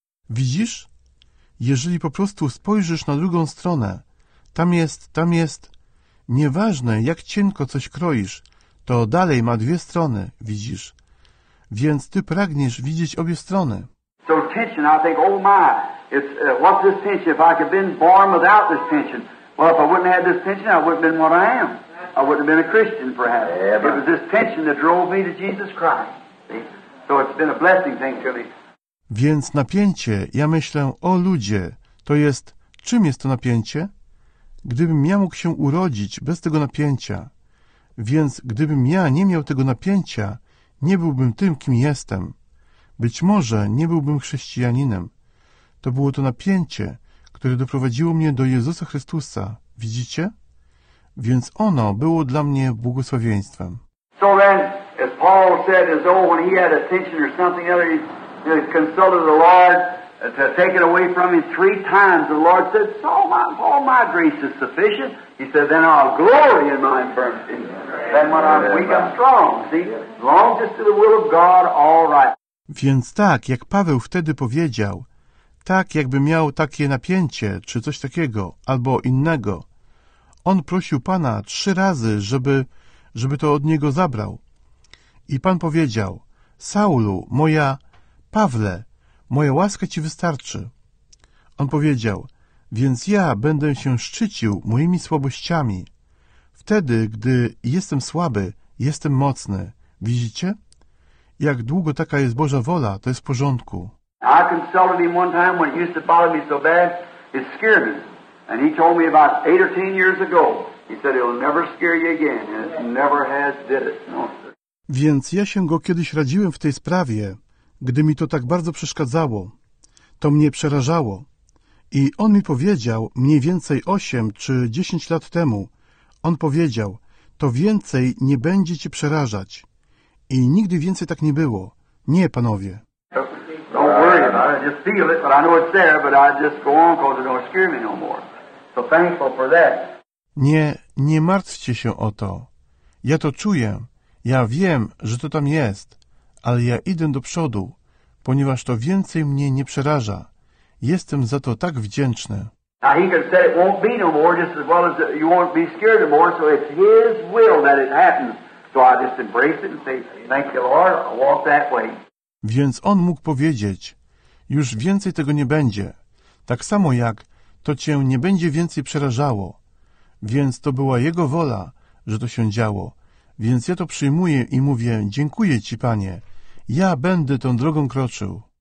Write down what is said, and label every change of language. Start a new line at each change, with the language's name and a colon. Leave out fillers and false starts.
Polish: Widzisz? Jeżeli po prostu spojrzysz na drugą stronę, tam jest, nieważne jak cienko coś kroisz, to dalej ma dwie strony, widzisz? Więc ty pragniesz widzieć obie strony.
English: So tension, I think, oh my, it's, what's this tension? If I could have been born without this tension. Well, if I wouldn't have had this tension, I wouldn't have been what I am. I wouldn't have been a Christian, perhaps. Yeah, it was this tension that drove me to Jesus Christ. See? So it's been a blessing thing to me.
Polish: Więc napięcie, ja myślę, o ludzie, to jest, czym jest to napięcie? Gdybym ja mógł się urodzić bez tego napięcia, więc gdybym ja nie miał tego napięcia, nie byłbym tym, kim jestem. Być może nie byłbym chrześcijaninem. To było to napięcie, które doprowadziło mnie do Jezusa Chrystusa. Widzicie? Więc ono było dla mnie błogosławieństwem.
English: So then, as Paul said, as though when he had a tension or something other, he consulted the Lord to take it away from him three times. The Lord said, so all my grace is sufficient. He said, then I'll glory in my infirmity. Then when I'm weak, I'm strong. See? Long just to the will of God, all right.
Polish: Więc tak, jak Paweł wtedy powiedział, tak, jakby miał takie napięcie, czy coś takiego, albo innego. On prosił Pana trzy razy, żeby to od niego zabrał. I Pan powiedział, Saulu, moja, Pawle, moja łaska ci wystarczy. On powiedział, więc ja będę się szczycił moimi słabościami. Wtedy, gdy jestem słaby, jestem mocny. Widzicie? Jak długo taka jest Boża wola, to jest w porządku.
English: I consulted him one time when it used to bother me so bad, it scared me. And he told me about 8 or 10 years ago, he said, it'll never scare you again, and it never has did it. No, sir.
Polish: Więc ja się go kiedyś radziłem w tej sprawie, gdy mi to tak bardzo przeszkadzało. To mnie przerażało. I on mi powiedział, mniej więcej 8 czy 10 lat temu, on powiedział, to więcej nie będzie cię przerażać. I nigdy więcej tak nie było. Nie, panowie.
English: I just feel it, but I know it's there, but I just go on because it don't scare me no more. So thankful for that.
Polish: Nie martwcie się o to. Ja to czuję. Ja wiem, że to tam jest, ale ja idę do przodu, ponieważ to więcej mnie nie przeraża. Jestem za to tak wdzięczny.
English: Now he can say it won't be no more, just as well as you won't be scared no more, so it's his will that it happens. So I just embrace it and say, thank you, Lord, I walk that way.
Polish: Więc on mógł powiedzieć, już więcej tego nie będzie, tak samo jak to cię nie będzie więcej przerażało. Więc to była jego wola, że to się działo. Więc ja to przyjmuję i mówię, dziękuję ci, Panie, ja będę tą drogą kroczył.